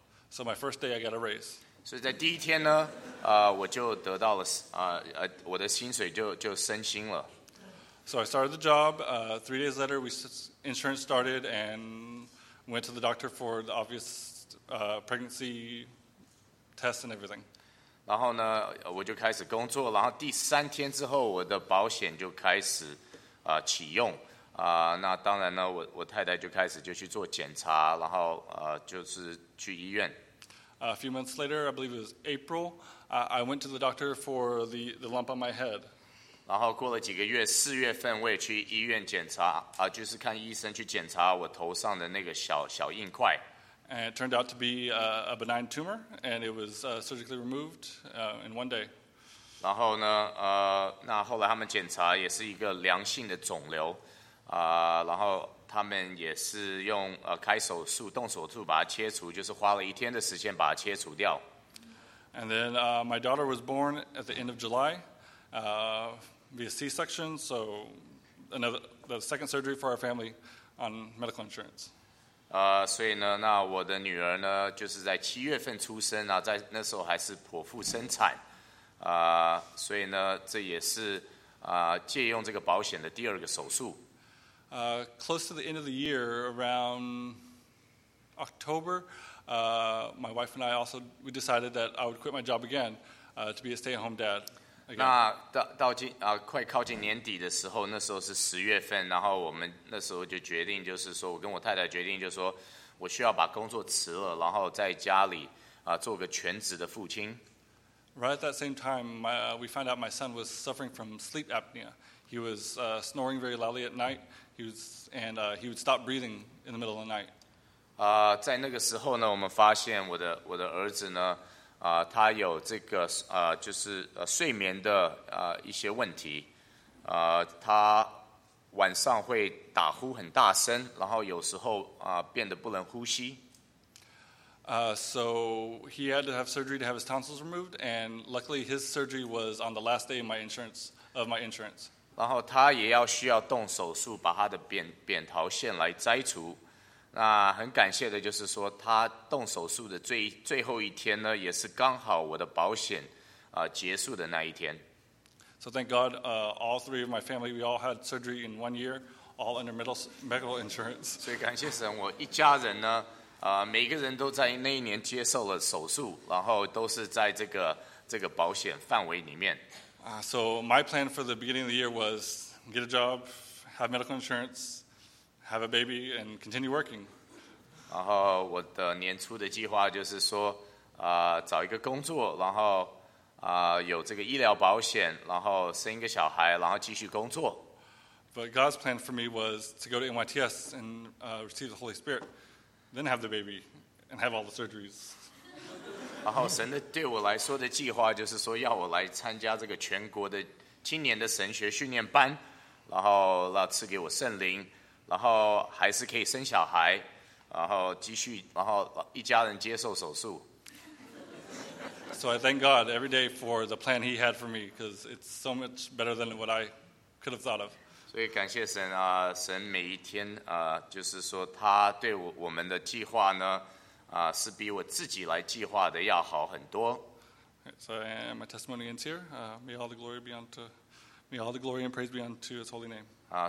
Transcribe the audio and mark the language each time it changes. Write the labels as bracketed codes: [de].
[en] So my first day, I got a raise. [zh] 所以在第一天呢，我就得到了我的薪水就升薪了。 [en] So I started the job. Three days later, insurance started and went to the doctor for the obvious pregnancy test and everything. [zh] 然后呢，我就开始工作。然后第三天之后，我的保险就开始启用。那当然呢，我太太就开始就去做检查，然后就是去医院。 [en] A few months later, I believe it was April, I went to the doctor for the lump on my head. [zh] 然后过了几个月，四月份我也去医院检查，就是看医生去检查我头上的那个小硬块。 [en] And it turned out to be a benign tumor, and it was surgically removed in one day. [zh] 然后呢，那后来他们检查也是一个良性的肿瘤。然后他们也是用开手术动手术把它切除，就是花了一天的时间把它切除掉。 [en] And then my daughter was born at the end of July, via C-section. So the second surgery for our family on medical insurance. [zh] 所以呢，那我的女儿呢，就是在七月份出生啊，在那时候还是剖腹生产。所以呢，这也是借用这个保险的第二个手术。 [en] Close to the end of the year, around October, my wife and I also we decided that I would quit my job again to be a stay-at-home dad. Again. [zh] 那快靠近年底的时候，那时候是十月份，然后我们那时候就决定，就是说我跟我太太决定，就是说我需要把工作辞了，然后在家里做个全职的父亲。 [en] Right at that same time, we found out my son was suffering from sleep apnea. He was snoring very loudly at night. He would stop breathing in the middle of the night. [zh] 在那个时候呢，我们发现我的儿子呢，他有这个就是睡眠的一些问题。他晚上会打呼很大声，然后有时候变得不能呼吸。 [en] So he had to have surgery to have his tonsils removed, and luckily his surgery was on the last day of my insurance. [zh] 然后他也要需要动手术把他的扁桃腺来摘除。那很感谢的就是说他动手术的最后一天呢，也是刚好我的保险结束的那一天。 [en] So thank God, all three of my family, we all had surgery in one year, all under medical insurance. [zh] 所以感谢神，我一家人呢，每个人都在那一年接受了手术，然后都是在这个保险范围里面。 [en] So my plan for the beginning of the year was get a job, have medical insurance, have a baby, and continue working. [zh] 然后我的年初的计划就是说，找一个工作，然后有这个医疗保险，然后生一个小孩，然后继续工作。 [en] But God's plan for me was to go to NYTS and receive the Holy Spirit, then have the baby, and have all the surgeries. [zh] 然后神的对我来说的计划就是说要我来参加这个全国的青年的神学训练班，然后赐给我圣灵，然后还是可以生小孩，然后继续，然后一家人接受手术。 [en] So I thank God every day for the plan He had for me, because it's so much better than what I could have thought of. [zh] 所以感谢神啊，神每一天就是说他对我们的计划呢。是比我自己来计划的要好很多。 [en] So my testimony ends here. May all the glory be unto, may all the glory and praise be unto His holy name.